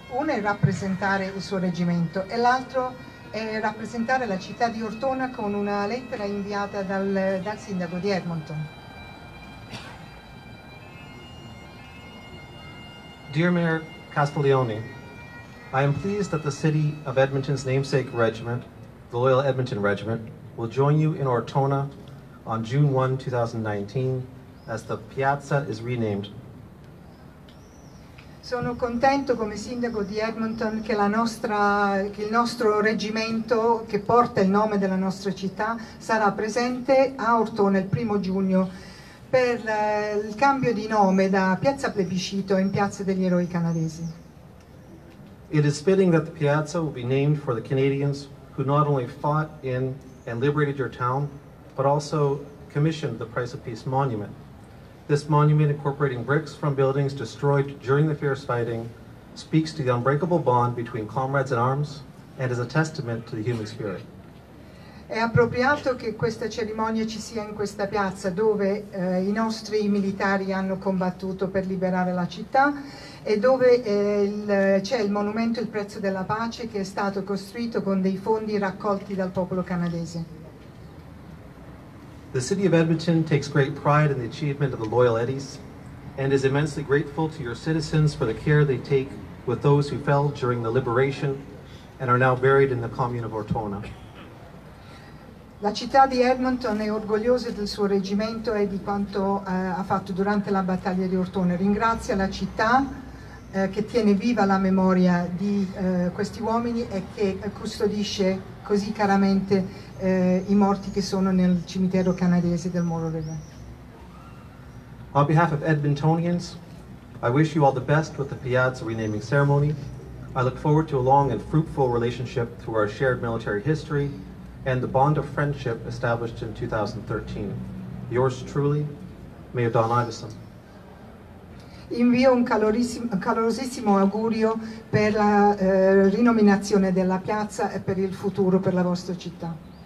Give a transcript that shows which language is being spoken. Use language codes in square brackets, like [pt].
[it] Uno è rappresentare il suo reggimento e l'altro è rappresentare la città di Ortona con una lettera inviata dal sindaco di Edmonton. [en] Dear Mayor Castiglione, I am pleased that the City of Edmonton's namesake regiment, the Loyal Edmonton Regiment, will join you in Ortona on June 1, 2019, as the piazza is renamed. [it] Sono contento come sindaco di Edmonton che il nostro reggimento, che porta il nome della nostra città, sarà presente a Ortona il 1 giugno per il cambio di nome da Piazza Plebiscito in Piazza degli Eroi Canadesi. [en] It is fitting that the piazza will be named for the Canadians who not only fought in and liberated your town, but also commissioned the Price of Peace Monument. This monument, incorporating bricks from buildings destroyed during the fierce fighting, speaks to the unbreakable bond between comrades in arms and is a testament to the human spirit. [it] È appropriato che questa cerimonia ci sia in questa piazza dove i nostri militari hanno combattuto per liberare la città e dove c'è il monumento Il Prezzo della Pace che è stato costruito con dei fondi raccolti dal popolo canadese. [en] The City of Edmonton takes great pride in the achievement of the Loyal Eddies and is immensely grateful to your citizens for the care they take with those who fell during the liberation and are now buried in the commune of Ortona. [it] La città di Edmonton è orgogliosa del suo reggimento e di quanto ha fatto durante la battaglia di Ortona. Ringrazia la città che tiene viva la memoria di questi uomini e che custodisce così caramente i morti che sono nel cimitero canadese del Moreau River. [en] On behalf of Edmontonians, I wish you all the best with the piazza renaming ceremony. I look forward to a long and fruitful relationship through our shared military history and the bond of friendship established in 2013. Yours truly, Mayor Don Iveson. [it] Invio un calorosissimo augurio per la rinominazione della piazza e per il futuro per la vostra città.